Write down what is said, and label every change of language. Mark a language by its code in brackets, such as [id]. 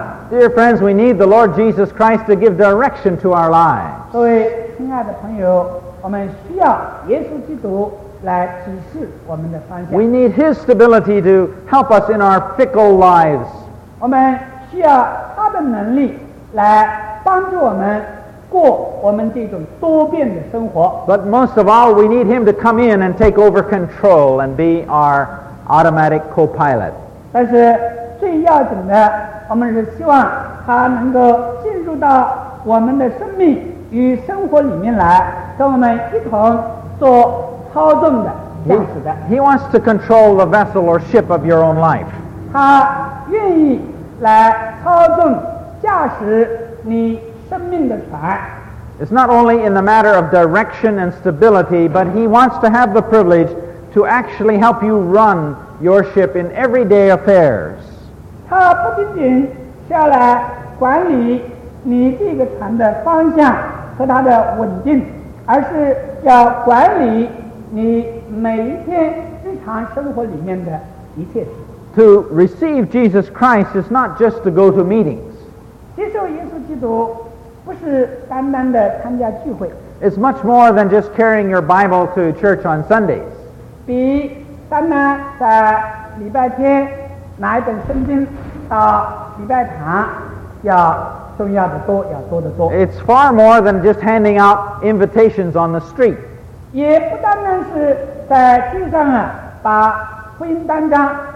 [en] Dear friends, we need the Lord Jesus Christ to give direction to our lives. [zh] 各位亲爱的朋友，我们需要耶稣基督来指示我们的方向。 [en] We need His stability to help us in our fickle lives. [zh] 我们需要他的能力来帮助我们过我们这种多变的生活。 [en] But most of all, we need him to come in and take over control and be our automatic co-pilot. [zh] 但是最要紧的，我们是希望他能够进入到我们的生命与生活里面来，跟我们一同做操纵的驾驶的。 [en] He wants to control the vessel or ship of your own life. [zh] 他愿意来操纵驾驶你生命的船。 [en] It's not only in the matter of direction and stability, but he wants to have the privilege to actually help you run your ship in everyday affairs. [zh] 他不仅仅是要来管理你这个船的方向和它的稳定，而是要管理你每一天日常生活里面的一切事。 [en] To receive Jesus Christ is not just to go to meetings. [zh] 接受耶稣基督不是单单的参加聚会。 [en] It's much more than just carrying your Bible to church on Sundays. [zh] 比单单在礼拜天拿一本圣经到礼拜堂要重要的多，要多得多。 [en] It's far more than just handing out invitations on the street. [zh] 也不单单是在街上啊把福音单张。